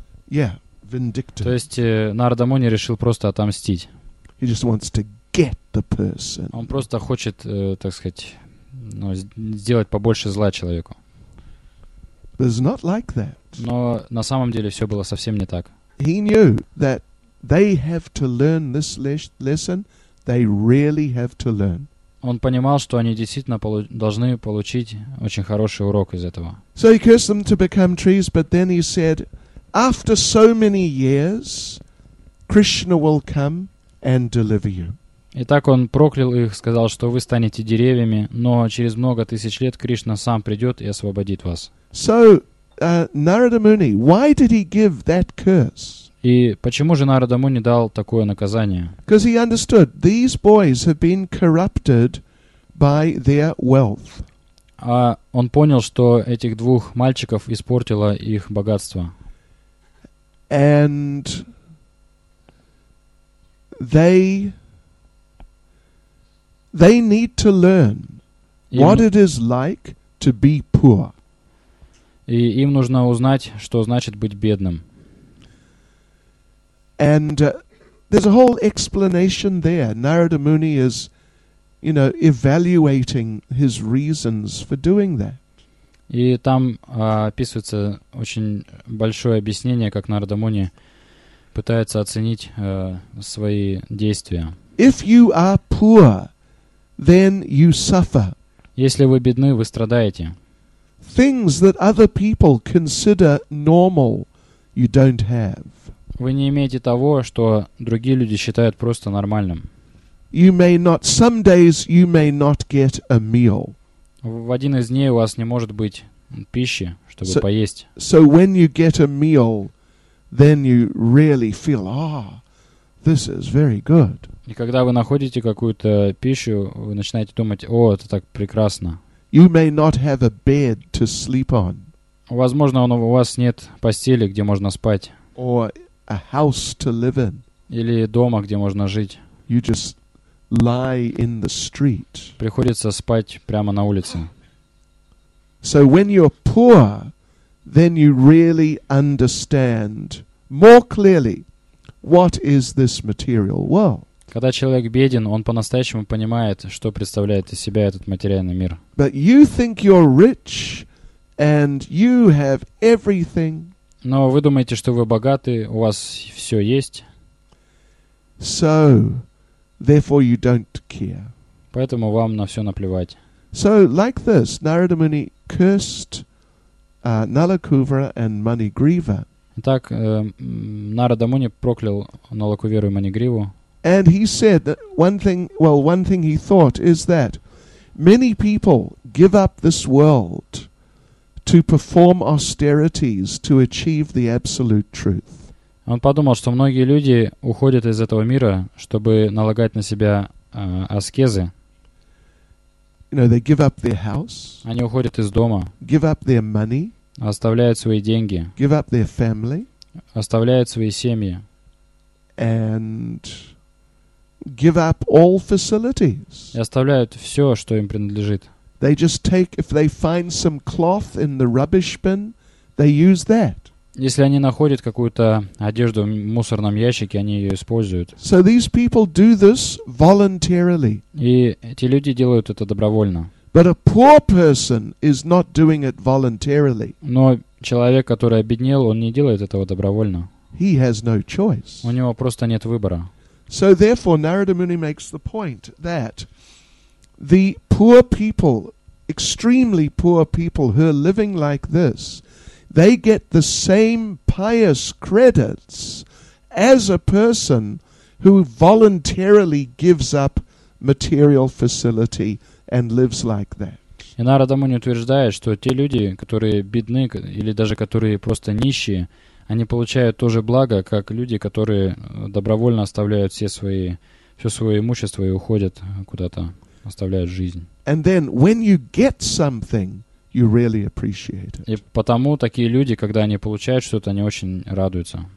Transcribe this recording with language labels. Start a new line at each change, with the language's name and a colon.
English: Yeah, vindictive.
Russian: То есть Нарада Муни решил просто отомстить.
English: He just wants to get the person.
Russian: Он просто хочет, так сказать, ну, сделать побольше зла человеку.
English: But it's not like that.
Russian: Но на самом деле все было совсем не так.
English: He knew that they have to learn this lesson. They really have to learn.
Russian: Он понимал, что они действительно должны получить очень хороший урок из этого.
English: So he cursed them to become trees, but then he said, after so many years, Krishna will come and deliver you.
Russian: Итак, он проклял их, сказал, что вы станете деревьями, но через много тысяч лет Кришна сам придет и освободит вас.
English: So, Narada Muni, why did he give that curse?
Russian: И почему же Нарада Муни дал такое наказание?
English: Because he understood these boys have been corrupted by their wealth.
Russian: А он понял, что этих двух мальчиков испортило их богатство.
English: And they need to learn what it is like to be poor.
Russian: И им нужно узнать, что значит быть бедным.
English: And there's a whole explanation there. Narada Muni is, you know, evaluating his reasons for doing that.
Russian: И там описывается очень большое объяснение, как Нарада Муни пытается оценить свои действия.
English: If you are poor, then you suffer.
Russian: Если вы бедны, вы страдаете.
English: Things that other people consider normal, you don't have.
Russian: Вы не имеете того, что другие люди считают просто нормальным.
English: You may not, some days you may not get a meal.
Russian: В один из дней у вас не может быть пищи, чтобы поесть.
English: So when you get a meal, then you really feel, ah, this is very good.
Russian: И когда вы находите какую-то пищу, вы начинаете думать, о, это так прекрасно.
English: You may not have a bed to sleep on.
Russian: Возможно, у вас нет постели, где можно спать.
English: Or a house to live in.
Russian: Или дома, где можно жить.
English: You just lie in the street.
Russian: Приходится спать прямо на улице.
English: So when you're poor, then you really understand more clearly what is this material world.
Russian: Когда человек беден, он по-настоящему понимает, что представляет из себя этот материальный мир.
English: But you think you're rich and you have everything.
Russian: Но вы думаете, что вы богаты, у вас все есть.
English: So therefore you don't care.
Russian: Поэтому вам на все наплевать.
English: So like this, Narada Muni cursed Nalakuvara and Manigriva.
Russian: Итак, Нарада Муни проклял Налакуверу и Манигриву.
English: And he said that one thing he thought is that many people give up this world to perform austerities to achieve the absolute truth.
Russian: Он подумал, что многие люди уходят из этого мира, чтобы налагать на себя аскезы.
English: You know, they give up their house,
Russian: они уходят из дома,
English: give up their money,
Russian: оставляют свои деньги,
English: give up their family,
Russian: оставляют свои семьи
English: and give up all facilities.
Russian: И оставляют все, что им принадлежит.
English: They just take, if they find some cloth in the rubbish bin, they use that.
Russian: Если они находят какую-то одежду в мусорном ящике, они ее используют.
English: So these people do this voluntarily.
Russian: И эти люди делают это добровольно.
English: But a poor person is not doing it voluntarily.
Russian: Но человек, который обеднел, он не делает этого добровольно.
English: He has no choice.
Russian: У него просто нет выбора.
English: So therefore, Narada Muni makes the point that the poor people, extremely poor people who are living like this, they get the same pious credits as a person who voluntarily gives up material facility and lives like that.
Russian: И Нарада Муни утверждает, что те люди, которые бедны или даже которые просто нищие, они получают то же благо, как люди, которые добровольно оставляют все свое имущество и уходят куда-то, оставляют жизнь.
English: And then when you get something, you really appreciate it.
Russian: И потому такие люди, когда они получают что-то, они очень радуются.